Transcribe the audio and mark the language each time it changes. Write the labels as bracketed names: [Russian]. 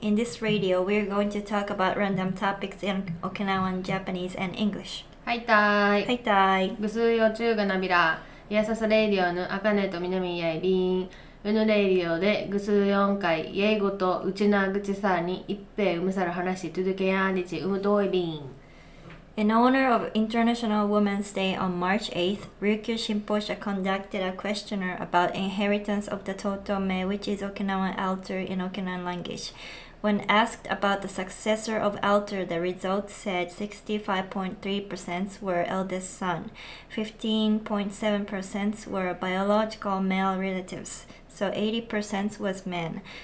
[English] In this radio, we're going to talk about random topics in Okinawan Japanese and English. [Central Okinawan] はいたーい。はいたーい。ぐすーよちゅーがなびら。Yes's Radio のアカネとミナミやいびーん。うぬレイリオでぐすー4回、英語とうちなぐちさーに一平うむさる話し続けやんにちうむどいびーん。 [English] In honor of International Women's Day on March 8th, Ryukyu Shinposha conducted a questionnaire about inheritance of the Totome, which is Okinawan altar in Okinawan language. When asked about the successor of altar, the results said 65.3% were eldest son, 15.7% were biological male relatives, so 80% was men.